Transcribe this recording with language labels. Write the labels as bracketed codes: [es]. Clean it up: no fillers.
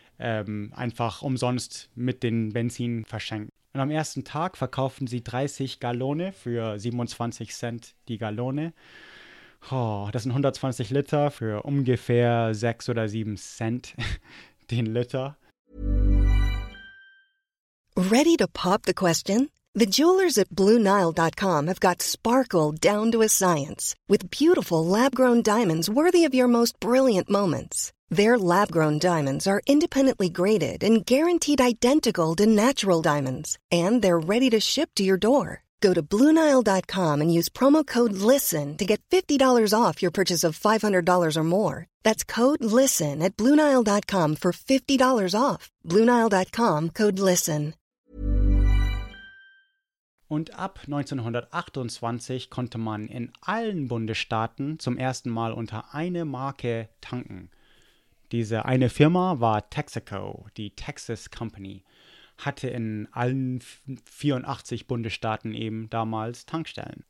[de] einfach umsonst mit den Benzin verschenken. Und am ersten Tag verkaufen sie 30 Gallone für 27 Cent die Gallone. Oh, das sind 120 Liter für ungefähr 6 oder 7 Cent den Liter. [en] Ready to pop the question? The jewelers at BlueNile.com have got sparkle down to a science with beautiful lab-grown diamonds worthy of your most brilliant moments. Their lab-grown diamonds are independently graded and guaranteed identical to natural diamonds, and they're ready to ship to your door. Go to BlueNile.com and use promo code LISTEN to get $50 off your purchase of $500 or more. That's code LISTEN at BlueNile.com for $50 off. BlueNile.com, code LISTEN. [de] Und ab 1928 konnte man in allen Bundesstaaten zum ersten Mal unter eine Marke tanken. Diese eine Firma war Texaco, die Texas Company, hatte in allen 84 Bundesstaaten eben damals Tankstellen.